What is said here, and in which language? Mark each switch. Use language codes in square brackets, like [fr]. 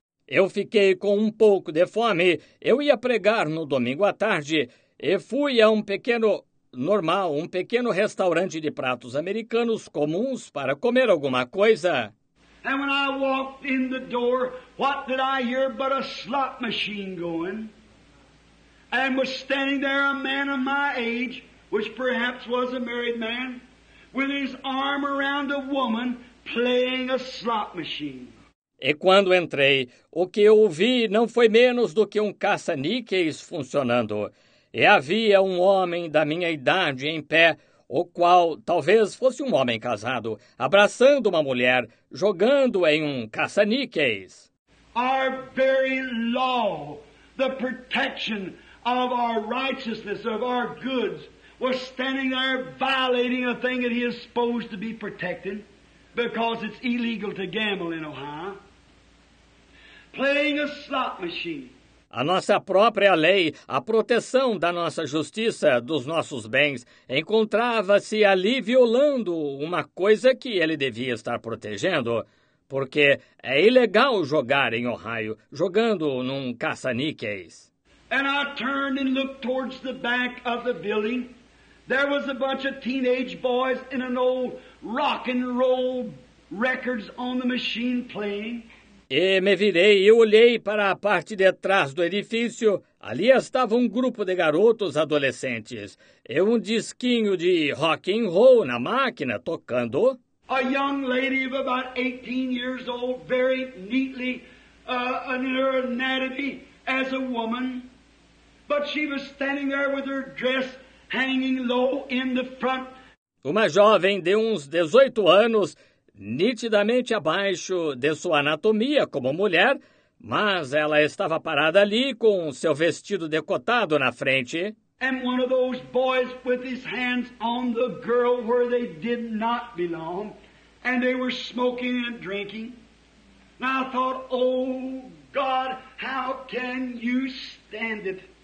[pt] Eu fiquei com um pouco de fome. Eu ia pregar no domingo à tarde. E fui a um pequeno normal, um pequeno restaurante de pratos americanos comuns para comer alguma coisa. [en] And when I walked in the door, what did I hear but a slot machine going? And was standing there a man of my age, which perhaps was a married man, with his arm around a woman, playing a slot machine. [pt] E quando entrei, o que eu ouvi não foi menos do que um caça-níqueis funcionando. E havia um homem da minha idade em pé, o qual talvez fosse um homem casado, abraçando uma mulher, jogando em um caça-níqueis. [en] Our very law, the protection of our righteousness, of our goods, was standing there violating a thing that he is supposed to be protecting, because it's illegal to gamble in Ohio. Playing a slot machine. [pt] A nossa própria lei, a proteção da nossa justiça, dos nossos bens, encontrava-se ali violando uma coisa que ele devia estar protegendo, porque é ilegal jogar em Ohio, jogando num caça-níqueis. [en] And I turned and looked towards the back of the building. There was a bunch of teenage boys in an old rock and roll records on the machine playing. [pt] E me virei e olhei para a parte de trás do edifício. Ali estava um grupo de garotos adolescentes e um disquinho de rock and roll na máquina tocando. [en] A young lady of about 18 years old, very neatly, in her anatomy as a woman. But she was standing there with her dress hanging low in the front. [pt] Uma jovem de uns 18 anos, nitidamente abaixo de sua anatomia como mulher, mas ela estava parada ali com seu vestido decotado na frente. [en] And one of those boys with his hands on the girl where they did not belong, and they were smoking and drinking. And I thought, oh God, how can you stand it?